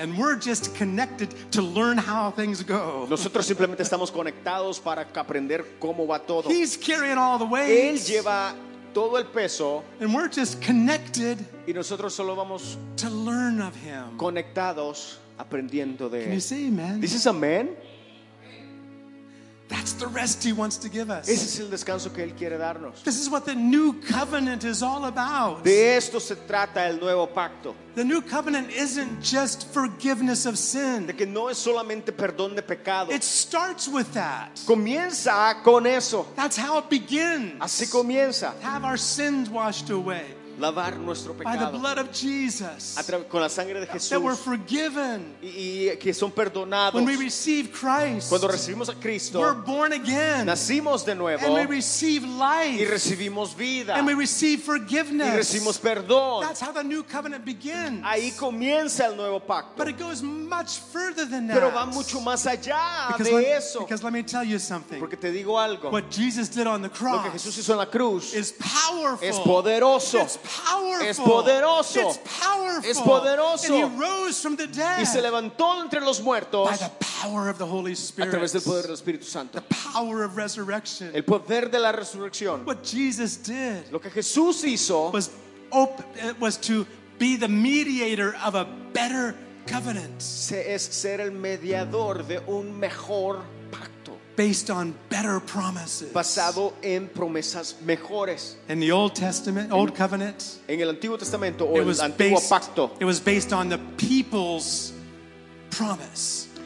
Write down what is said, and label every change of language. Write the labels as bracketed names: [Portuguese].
[English] And we're just connected to learn how things go. [Spanish] Nosotros simplemente estamos conectados para aprender cómo va todo. [English] He's carrying all the weight. [Spanish] Él lleva todo el peso. [English] And we're just connected. [Spanish] Y nosotros solo vamos [English] to learn of him. [Spanish] Conectados aprendiendo de él. [English] Can you say amen? This is amen. That's the rest he wants to give us. [Spanish] Ese es el descanso que él quiere darnos. [English] This is what the new covenant is all about. [Spanish] De esto se trata el nuevo pacto. [English] The new covenant isn't just forgiveness of sin. [Spanish] De que no es solamente perdón de pecado. [English] It starts with that. [Spanish] Comienza con eso. [English] That's how it begins. [Spanish] Así comienza. [English] Have our sins washed away. [Spanish] lavar nuestro pecado [English] by the blood of Jesus, [Spanish] con la sangre de Jesús, [English] that we're forgiven, [Spanish] y que son perdonados. [English] When we receive Christ, [Spanish] cuando recibimos a Cristo, [English] we're born again, [Spanish] nacimos de nuevo, [English] and we receive life, [Spanish] y recibimos vida, [English] and we receive forgiveness, [Spanish] y recibimos perdón. [English] That's how the new covenant begins. [Spanish] Ahí comienza el nuevo pacto. [English] But it goes much further than that. [Spanish] Pero va mucho más allá [English] because [Spanish] de [English] let, [Spanish] eso. [English] Because let me tell you something. [Spanish] Porque te digo algo. [English] What Jesus did on the cross, [Spanish] lo que Jesús hizo en la cruz, [English] is powerful. [Spanish] Es poderoso. [English] It's powerful. [Spanish] Es poderoso. [English] It's powerful. [Spanish] Es poderoso. [English] And he rose from the dead. [Spanish] Y se levantó entre los muertos. [English] By the power of the Holy Spirit. [Spanish] A través del poder del Espíritu Santo. [English] The power of resurrection. [Spanish] El poder de la resurrección. [English] What Jesus did, [Spanish] lo que Jesús hizo, [English] was to be the mediator of a better covenant. [Spanish] Es ser el mediador de un mejor pacto. [English] Based on better promises. [Spanish] Basado en promesas mejores. [English] In the Old Testament, Old Covenant. [Spanish] En el Antiguo Testamento o el Antiguo Pacto. [English] It was based on the people's promise.